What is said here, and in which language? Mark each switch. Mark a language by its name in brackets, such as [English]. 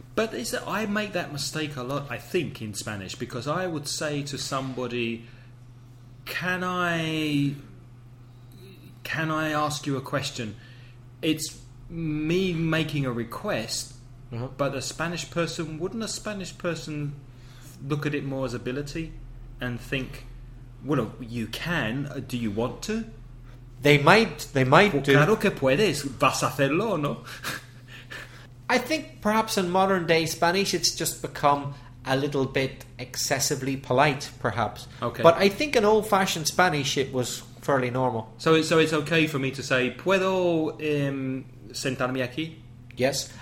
[English] But is that, I make that mistake a lot, I think, in Spanish, because I would say to somebody, can I ask you a question? It's me making a request, uh-huh. But a Spanish person, wouldn't a Spanish person look at it more as ability and think, well, you can, do you want to? They might well, do. [Spanish] Claro que puedes, vas a hacerlo, ¿no? [English] I think perhaps in modern day Spanish it's just become a little bit excessively polite, perhaps. Okay. But I think in old-fashioned Spanish it was fairly normal. So it's okay for me to say, [Spanish] ¿puedo sentarme aquí? [English] Yes.